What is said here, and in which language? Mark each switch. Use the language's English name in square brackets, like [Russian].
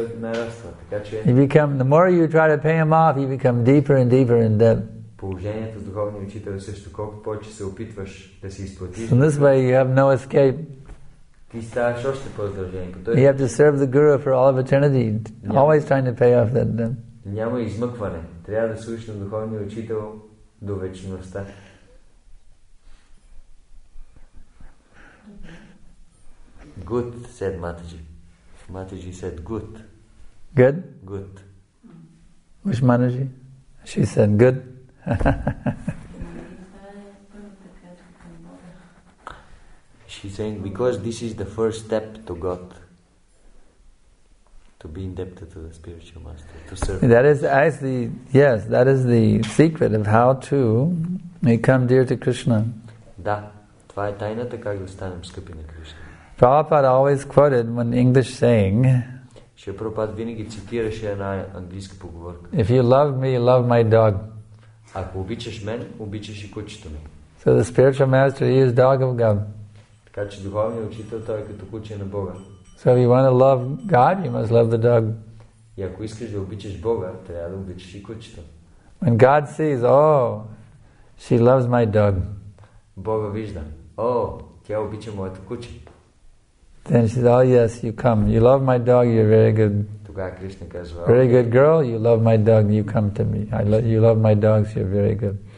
[English] You become, the more you try to pay him off, you become deeper and deeper in debt. [Bulgarian] Положението с духовния учител е също, колко повече се опитваш да си изплатиш. [English] So in this way you have no escape. [Bulgarian] Ти ставаш още по-задължен. [English] You have to serve the guru for all of eternity, always trying to pay off that debt. [Bulgarian] Няма измъкване. Трябва да служиш на духовния учител до вечността. [English] Good, said Mataji. Mataji said good. Good? Good. Which Mataji? She said good. She's saying because this is the first step to God, to be indebted to the spiritual master, to serve. That is actually, yes, that is the secret of how to become dear to Krishna. [Bulgarian] Да, това е тайната как да станем скъпи на Кришна. [English] Prabhupada always quoted one English saying. [Bulgarian] Шри Прабхупад винаги цитираше една английска поговорка. [English] If you love me, you love my dog. [Bulgarian] Ако обичаш мен, обичаш и кучето ми. [English] So the spiritual master he is dog of God. [Bulgarian] Така че духовният учител той е като куче на Бога. [English] So if you want to love God, you must love the dog. [Bulgarian] И ако искаш да обичаш Бога, трябва да обичаш и кучето. [English] When God sees, oh, she loves my dog. [Bulgarian] Бога вижда, о, тя обича моето куче. [English] Then she says, oh yes, you come. You love my dog, you're very good. Very good girl, you love my dog, you come to me. You love my dogs, you're very good.